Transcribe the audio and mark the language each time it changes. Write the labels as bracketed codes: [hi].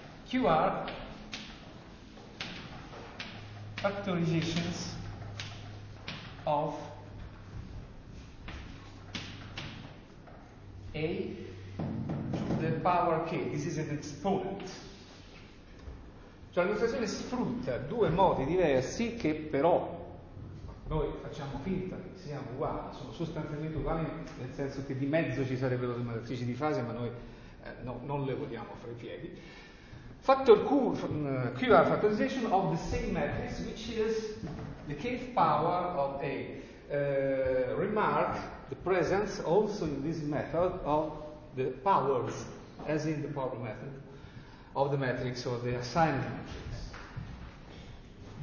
[en] QR factorizations of A to the power k. This is an exponent. [it] Cioè l'illustrazione sfrutta due modi diversi che però noi facciamo finta che siamo uguali, sono sostanzialmente uguali, nel senso che di mezzo ci sarebbero le matrici di fase, ma noi non le vogliamo fra i piedi. [en] Factor QR factorization of the same matrix, which is the kth power of A. Remark the presence also in this method of the powers, as in the power method of the matrix or the assigned matrix.